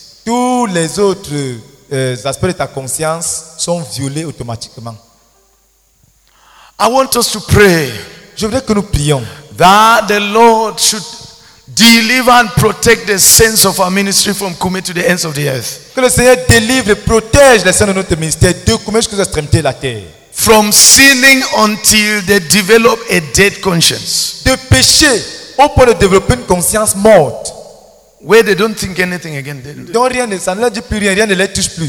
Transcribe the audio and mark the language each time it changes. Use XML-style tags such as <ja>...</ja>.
<fr>Tous les autres aspects de ta conscience sont violés automatiquement.</fr> <en>I want us to pray.</en> <fr>Je voudrais que nous prions.</fr> <en>That the Lord should deliver and protect the saints of our ministry from Kume to the ends of the earth.</en> <fr>Que le Seigneur délivre et protège les saints de notre ministère de Kume jusqu'aux extrémités de la terre.</fr> <en>From sinning until they develop a dead conscience.</en> <fr>De pécher au point de développer une conscience morte.</fr> <en>Where they don't think anything again.</en> <fr>Donc rien ne, ça ne leur dit plus rien, rien ne les touche plus.</fr>